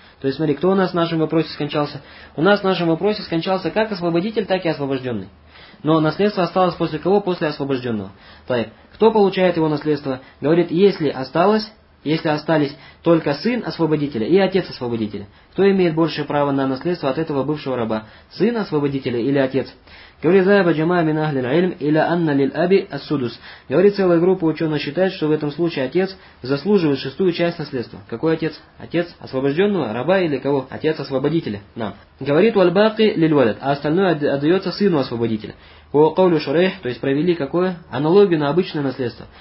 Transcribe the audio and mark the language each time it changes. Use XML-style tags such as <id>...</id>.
<ru>То есть, смотри, кто у нас в нашем вопросе скончался? У нас в нашем вопросе скончался как освободитель, так и освобожденный. Но наследство осталось после кого? После освобожденного. Так, кто получает его наследство? Говорит, если остались только сын освободителя и отец освободителя, кто имеет большее право на наследство от этого бывшего раба? Сын освободителя или отец?</ru> <ar>Говорит, ذهب جماعة من أهل العلم إلى أن للأب السدس.</ar> <ru>Говорит, целая группа ученых считает, что в этом случае отец заслуживает шестую часть наследства. Какой отец? Отец освобожденного, раба или кого? Отец освободителя. Нам. Говорит,</ru> <ar>والباقي للولد,</ar> <ru>а остальное отдается сыну освободителя. По قولу شريح, то есть провели какое? Аналогию на обычное наследство.</ru>